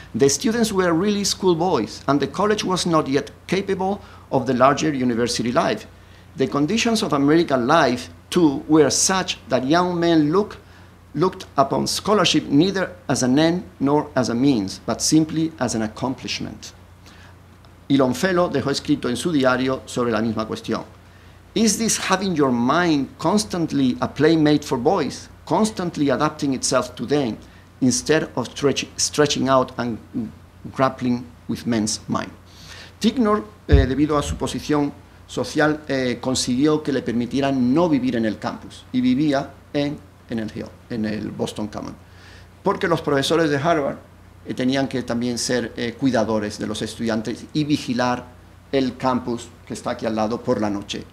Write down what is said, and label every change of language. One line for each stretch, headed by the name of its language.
English: The students were really schoolboys and the college was not yet capable of the larger university life. The conditions of American life too were such that young men looked upon scholarship neither as an end nor as a means, but simply as an accomplishment.
Spanish: Y Longfellow dejó escrito en su diario sobre la misma cuestión.
English: Is this having your mind constantly a playmate for boys, constantly adapting itself to them, instead of stretching out and grappling with men's mind?
Spanish: Ticknor, debido a su posición social, consiguió que le permitieran no vivir en el campus y vivía en el Hill, en el Boston Common, porque los profesores de Harvard tenían que también ser cuidadores de los estudiantes y vigilar el campus que está aquí al lado por la noche.